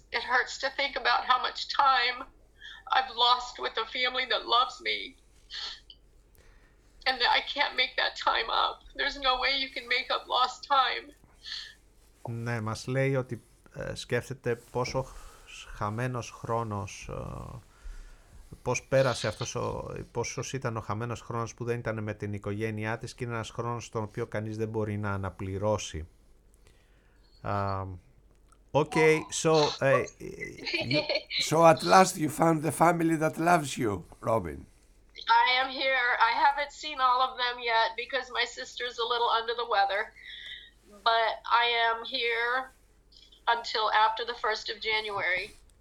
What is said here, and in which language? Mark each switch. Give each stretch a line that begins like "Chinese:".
English: It hurts to think about how much time I've lost with a family that loves me. And that I can't make that time up. There's no way you can make up lost time.
Greek: Ναι, μας λέει ότι σκέφτεται πόσο χαμένος χρόνος, πώς πέρασε αυτός, πόσος ήταν ο χαμένος χρόνος που δεν ήταν με την οικογένειά της, και είναι ένας χρόνος τον οποίο κανείς δεν μπορεί να αναπληρώσει.
English: Okay, so at last you found the family that loves you, Robin. I am here. I haven't seen all of them yet because my sister's a little under the weather. But I am here until after the 1st of January.